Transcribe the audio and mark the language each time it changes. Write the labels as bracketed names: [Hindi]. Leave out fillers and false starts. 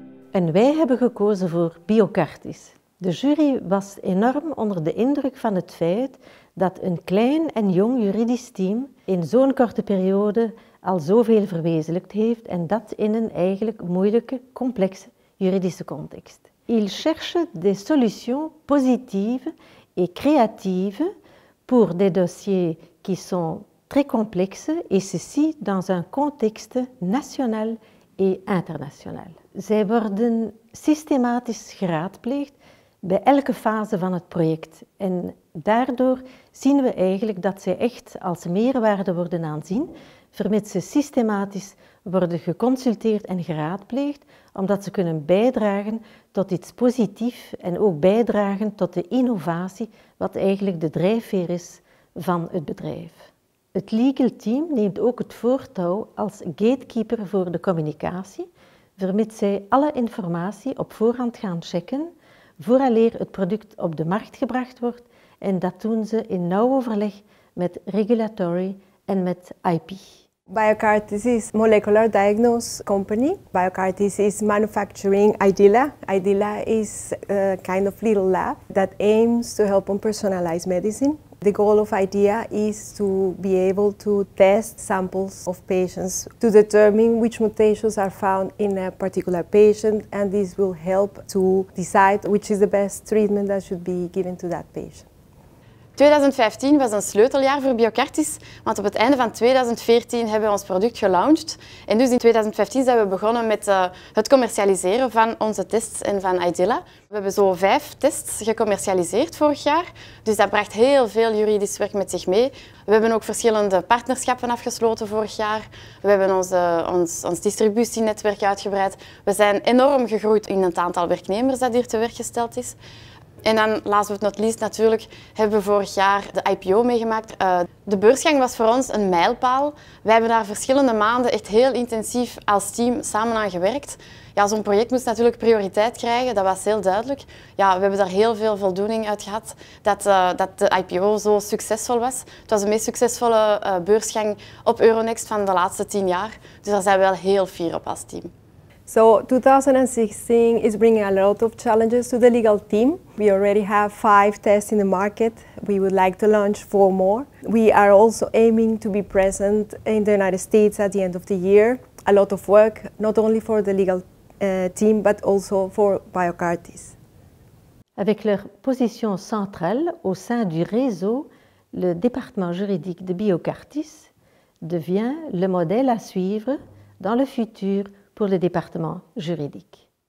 [Dutch] En wij hebben gekozen voor Biocartis. De jury was enorm onder de indruk van het feit dat een klein en jong juridisch team in zo'n korte periode al zoveel verwezenlijkt heeft en dat in een eigenlijk moeilijke, complexe juridische context. [French] Ils cherchent des solutions positives et créatives pour des dossiers qui sont très complexes et ceci dans un contexte national et international. [Dutch] Zij worden systematisch geraadpleegd bij elke fase van het project. En daardoor zien we eigenlijk dat zij echt als meerwaarde worden aanzien, vermits ze systematisch worden geconsulteerd en geraadpleegd, omdat ze kunnen bijdragen tot iets positiefs en ook bijdragen tot de innovatie, wat eigenlijk de drijfveer is van het bedrijf. Het legal team neemt ook het voortouw als gatekeeper voor de communicatie, vermits zij alle informatie op voorhand gaan checken, vooraleer het product op de markt gebracht wordt en dat doen ze in nauw overleg met regulatory en met IP. [English] Biocartis is molecular diagnosis company. Biocartis is manufacturing IDILA. IDILA is a kind of little lab that aims to help on personalized medicine. The goal of IDEA is to be able to test samples of patients to determine which mutations are found in a particular patient, and this will help to decide which is the best treatment that should be given to that patient. [Dutch] 2015 was een sleuteljaar voor Biocartis, want op het einde van 2014 hebben we ons product gelaunched. En dus in 2015 zijn we begonnen met het commercialiseren van onze tests en van IDILA. We hebben zo 5 tests gecommercialiseerd vorig jaar, dus dat bracht heel veel juridisch werk met zich mee. We hebben ook verschillende partnerschappen afgesloten vorig jaar. We hebben ons distributienetwerk uitgebreid. We zijn enorm gegroeid in het aantal werknemers dat hier te werk gesteld is. En dan, [English] last but not least, [Dutch] natuurlijk hebben we vorig jaar de IPO meegemaakt. De beursgang was voor ons een mijlpaal. Wij hebben daar verschillende maanden echt heel intensief als team samen aan gewerkt. Ja, zo'n project moest natuurlijk prioriteit krijgen, dat was heel duidelijk. Ja, we hebben daar heel veel voldoening uit gehad dat de IPO zo succesvol was. Het was de meest succesvolle beursgang op Euronext van de laatste 10 jaar. Dus daar zijn we wel heel fier op als team. [English] So 2016 is bringing a lot of challenges to the legal team. We already have 5 tests in the market. We would like to launch 4 more. We are also aiming to be present in the United States at the end of the year. A lot of work, not only for the legal team, but also for Biocartis. [French] Avec leur position centrale au sein du réseau, le département juridique de Biocartis devient le modèle à suivre dans le futur pour le département juridique.